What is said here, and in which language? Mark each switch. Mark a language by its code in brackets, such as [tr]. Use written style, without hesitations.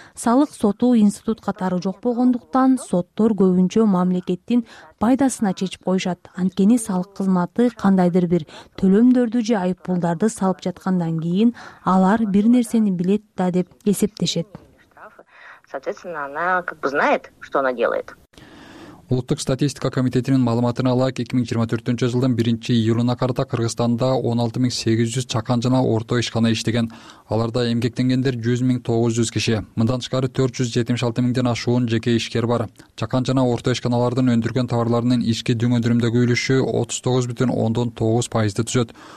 [ky] Салык соту институт катары жок болгондуктан соттор көбүнчө мамлекеттин пайдасына чечип коюшат. Анткени салык кызматы кандайдыр бир төлөмдөрдү же айыппулдарды салып жаткандан кийин алар бир нерсени билет да деп эсептешет. [ru] Соответственно, она как бы знает, что она делает. [ky] Улуттук статистика комитетинин маалыматына ылайык, 2024 жылдын 1 июлуна карата Кыргызстанда 16800 чакан жана орто ишкана иштеген. Аларда эмгектенгендер 100900 киши. Мындан тышкары 476000ден ашуун жеке ишкер бар. Чакан жана орто ишканалардын өндүргөн товарларынын ички дүң өндүрүмдөгү үлүшү 39.9% түзөт.